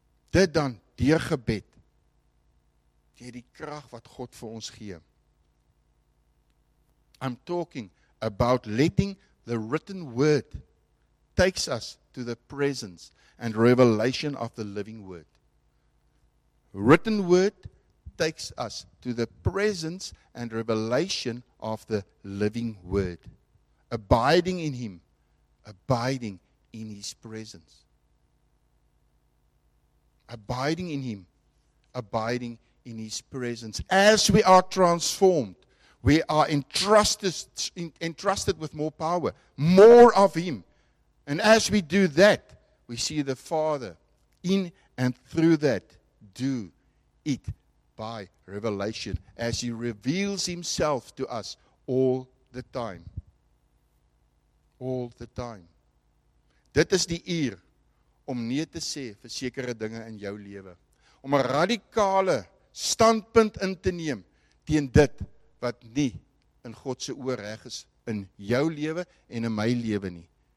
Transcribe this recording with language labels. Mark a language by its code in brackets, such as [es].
[af] Dit dan, deur gebed, deur die krag wat God vir ons gee. [en] I'm talking about letting the written word takes us to the presence and revelation of the living word. Written word takes us to the presence and revelation of the living word. Abiding in him, abiding in his presence. Abiding in him, abiding in his presence. As we are transformed, we are entrusted with more power, more of him. And as we do that, we see the Father in and through that do it by revelation, as he reveals himself to us all the time. All the time. [af] Dit is die uur om nee te sê vir sekere dinge in jou lewe. Om 'n radikale standpunt in te neem teen dit wat nie in God se oë reg is in jou lewe en in my lewe nie.